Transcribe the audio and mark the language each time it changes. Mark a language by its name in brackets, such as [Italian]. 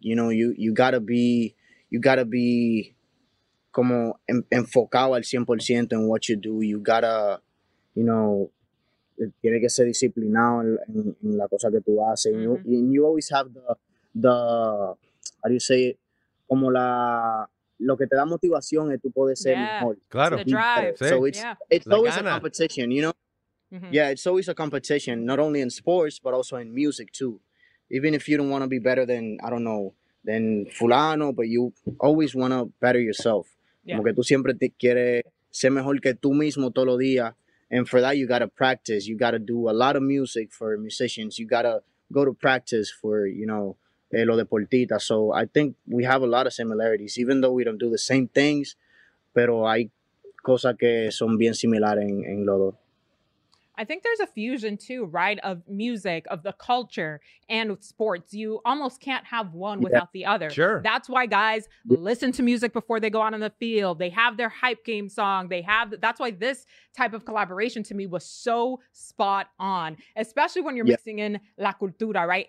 [English] You know, you gotta be [Spanish] como enfocado al 100% [English] in what you do. You gotta, you know, [Spanish] tiene que ser disciplinado en la cosa que tú haces. Mm-hmm. [English] And you always have the how do you say it? [Spanish] Como la lo que te da motivación es tú poder ser mejor. Claro. [English] It's the drive. So it's always a competition, you know? Mm-hmm. Yeah, it's always a competition, not only in sports, but also in music too. Even if you don't want to be better than, I don't know, than fulano, but you always want to better yourself. Yeah. [Spanish] Como que tú siempre te quieres ser mejor que tú mismo todos los días. [English] And for that, you got to practice. You got to do a lot of music for musicians. You got to go to practice for, you know, [Spanish] lo deportita. [English] So I think we have a lot of similarities, even though we don't do the same things. [Spanish] Pero hay cosas que son bien similares en lo dos. [English] I think there's a fusion too, right, of music, of the culture, and with sports. You almost can't have one without the other. Sure. That's why guys listen to music before they go out on the field. They have their hype game song. That's why this type of collaboration to me was so spot on, especially when you're mixing in [Spanish] la cultura, [English] right?